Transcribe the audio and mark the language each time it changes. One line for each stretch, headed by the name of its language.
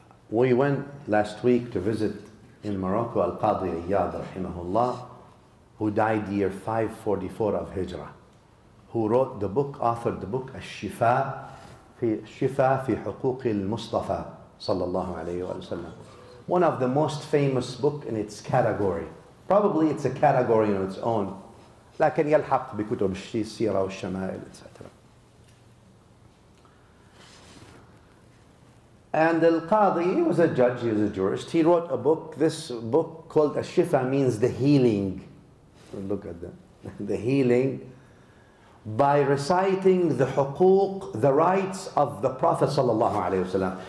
English: We went last week to visit in Morocco Al-Qadi Iyad rahimahullah, who died year 544 of Hijrah. Who wrote the book, authored the book, Al-Shifa fi Huquq al-Mustafa, sallallahu alayhi wa sallam. One of the most famous book in its category. Probably it's a category on its own.
Arabic: لكن يلحق بكتب السيرة والشمائل, etc.
English: And Al-Qadi, he was a judge, he was a jurist. He wrote a book. This book called Al-Shifa means the healing. Look at that. The healing. By reciting the huquq, the rights of the Prophet sallallahu alayhi wa sallam.